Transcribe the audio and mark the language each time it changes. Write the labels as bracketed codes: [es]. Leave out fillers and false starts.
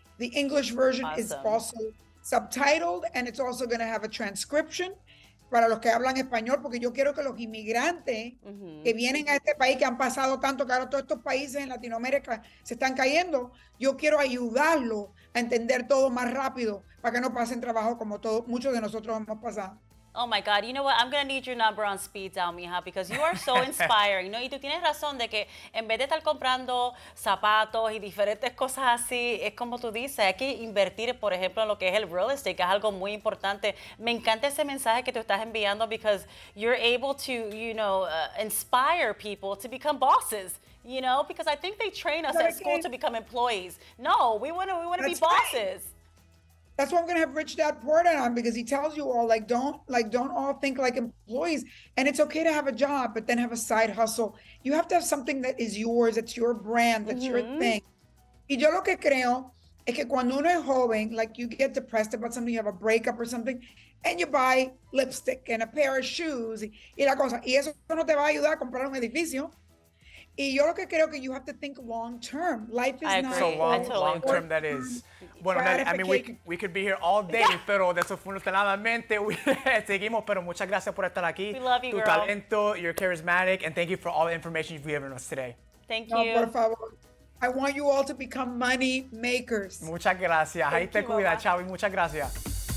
[en] The English version is also subtitled, and it's also going to have a transcription [es] para los que hablan español, porque yo quiero que los inmigrantes que vienen a este país, que han pasado tanto, que ahora todos estos países en Latinoamérica se están cayendo, yo quiero ayudarlos a entender todo más rápido para que no pasen trabajo como muchos de nosotros hemos pasado. [en] Oh my God, you know what? I'm going to need your number on speed dial, mija, because you are so inspiring. [es] No, y tú tienes razón de que en vez de estar comprando zapatos y diferentes cosas así, es como tú dices, hay que invertir, por ejemplo, en lo que es el real estate, que es algo muy importante. Me encanta ese mensaje que tú estás enviando, [en] because you're able to, you know, inspire people to become bosses, you know, because I think they train us at school to become employees. No, we want to be bosses. Right. That's why I'm going to have Rich Dad Poor Dad on, because he tells you all, don't all think like employees. And it's okay to have a job, but then have a side hustle. You have to have something that is yours, that's your brand, that's your thing. [es] Y yo lo que creo es que cuando uno es joven, [en] like you get depressed about something, you have a breakup or something, and you buy lipstick and a pair of shoes [es] y la cosa. Y eso no te va a ayudar a comprar un edificio. Y yo lo que creo que [en] you have to think long term. Life is not so long term. That is, bueno, I mean, we could be here all day, yeah. [es] Pero desafortunadamente seguimos. Pero muchas gracias por estar aquí. [en] We love you, [es] tu [en] girl. Talento, you're charismatic, and thank you for all the information you've given us today. Thank you. [es] No, por favor. [en] I want you all to become money makers. [es] Muchas gracias. Ahí te cuida. Chao y muchas gracias.